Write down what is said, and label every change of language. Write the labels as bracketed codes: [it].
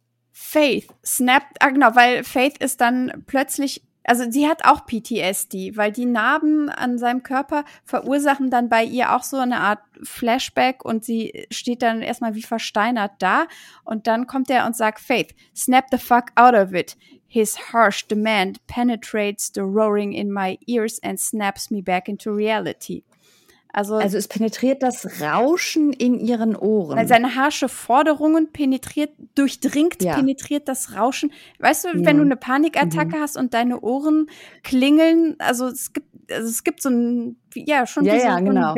[de] Faith snapped, weil Faith ist dann plötzlich, also sie hat auch PTSD, weil die Narben an seinem Körper verursachen dann bei ihr auch so eine Art Flashback und sie steht dann erstmal wie versteinert da und dann kommt er und sagt, Faith, [en] snap the fuck out of it. His harsh demand penetrates the roaring in my ears and snaps me back into reality. [de] Also es penetriert das Rauschen in ihren Ohren. Weil seine harsche Forderungen penetriert das Rauschen. Weißt du, wenn du eine Panikattacke hast und deine Ohren klingeln, also es gibt so ein, genau.